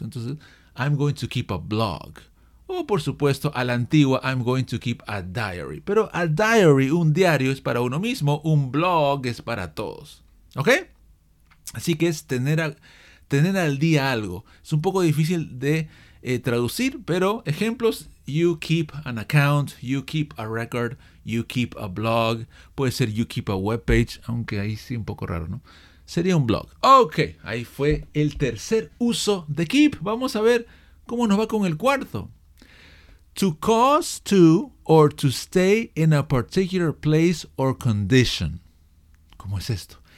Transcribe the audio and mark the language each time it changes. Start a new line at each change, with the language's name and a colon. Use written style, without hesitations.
English: Entonces, I'm going to keep a blog.
Spanish: O por supuesto, a la antigua,
English: I'm going to keep a diary.
Spanish: Pero
English: a diary,
Spanish: un diario es para uno mismo, un blog es para todos. ¿Ok? Así que es tener al día algo. Es un poco difícil de traducir, pero ejemplos.
English: You keep an account, you keep a record, you keep a blog.
Spanish: Puede ser
English: you keep a webpage,
Spanish: aunque ahí sí un poco raro, ¿no? Sería un blog. Ok, ahí fue el tercer uso de keep. Vamos a ver cómo nos va con el cuarto.
English: To cause to or to stay in a particular place or condition.
Spanish: ¿Cómo es esto?